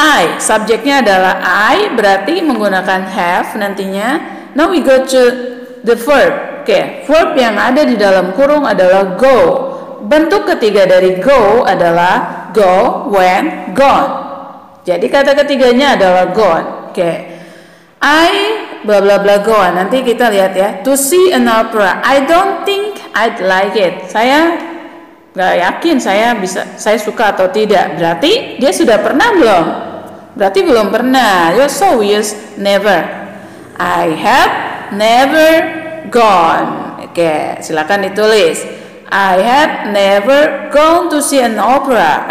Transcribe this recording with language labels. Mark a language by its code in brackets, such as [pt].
[id] I, subjeknya adalah I, berarti menggunakan have nantinya. [en] Now we go to the verb. [id] Oke, verb yang ada di dalam kurung adalah go. Bentuk ketiga dari go adalah go, went, gone. Jadi kata ketiganya adalah gone. Oke, [en] I bla bla bla gone. [id] Nanti kita lihat ya. [en] To see an opera, I don't think I'd like it. [id] Saya nggak yakin saya bisa, saya suka atau tidak. Berarti dia sudah pernah belum? Berarti belum pernah. [en] You're so weird, never. I have never gone. [id] Oke, silakan ditulis. [en] I have never gone to see an opera.